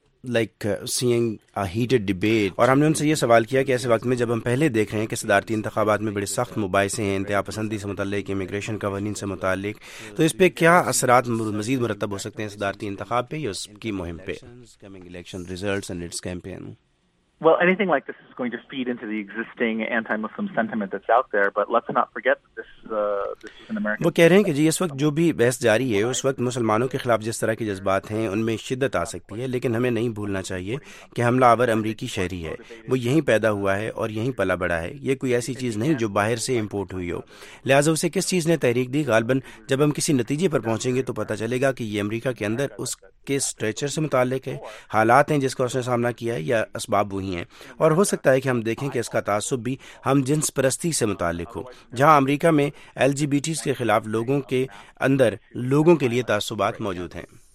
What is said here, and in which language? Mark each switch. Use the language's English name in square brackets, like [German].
[Urdu] اور ہم نے ان سے یہ سوال کیا کہ ایسے وقت میں جب ہم پہلے دیکھ رہے ہیں کہ صدارتی انتخابات میں بڑے سخت مباحثے ہیں انتہا پسندی سے متعلق, امیگریشن قوانین سے متعلق, تو اس پہ کیا اثرات مزید مرتب ہو سکتے ہیں صدارتی انتخاب پہ یا اس کی مہم پہ؟ [English] Well, anything like this is going to feed into the existing anti-Muslim sentiment that's out there, but let's not forget that this is an American... [Urdu] وہ کہہ رہے ہیں کہ جی اس وقت جو بھی بحث جاری ہے اس وقت مسلمانوں کے خلاف جس طرح کے جذبات ہیں ان میں شدت آ سکتی ہے, لیکن ہمیں نہیں بھولنا چاہیے کہ حملہ آور امریکی شہری ہے, وہ یہیں پیدا ہوا ہے اور یہیں پلا بڑا ہے, یہ کوئی ایسی چیز نہیں جو باہر سے امپورٹ ہوئی ہو. لہٰذا اسے کس چیز نے تحریک دی, غالباً جب ہم کسی نتیجے پر پہنچیں گے تو پتہ چلے گا کہ یہ امریکہ کے اندر اس کے اسٹریچر سے متعلق ہے, حالات ہیں جس کا اس نے سامنا کیا ہے یا اسباب ہوئی ہیں, اور ہو سکتا ہے کہ ہم دیکھیں کہ اس کا تعصب بھی ہم جنس پرستی سے متعلق ہو, جہاں امریکہ میں ایل جی بی ٹی کے خلاف لوگوں کے اندر لوگوں کے لیے تعصبات موجود ہیں.